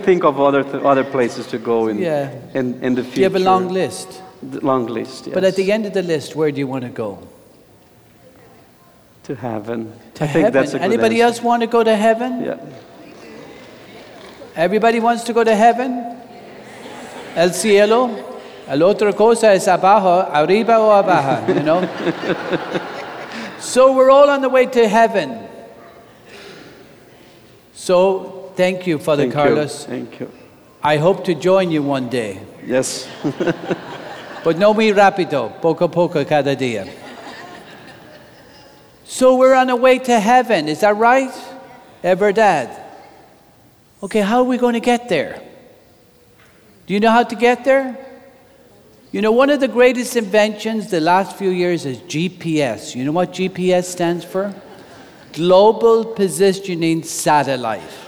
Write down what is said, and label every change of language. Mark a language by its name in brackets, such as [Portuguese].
[English] think of other places to go in the future. Do you have a long list? Long list, yes. But at the end of the list, where do you want to go? To heaven. To I think heaven. That's a good Anybody answer. Else want to go to heaven? Yeah. Everybody wants to go to heaven? Yes. [Spanish] El cielo? El otra cosa es abajo, arriba o abajo, [English] you know? So we're all on the way to heaven. So thank you, Father thank Carlos. You. Thank you. I hope to join you one day. Yes. [Spanish] But no muy rápido, poco a poco cada día. [English] So we're on the way to heaven, is that right? Everdad. Okay, how are we going to get there? Do you know how to get there? You know, one of the greatest inventions the last few years is GPS. You know what GPS stands for? Global Positioning Satellite.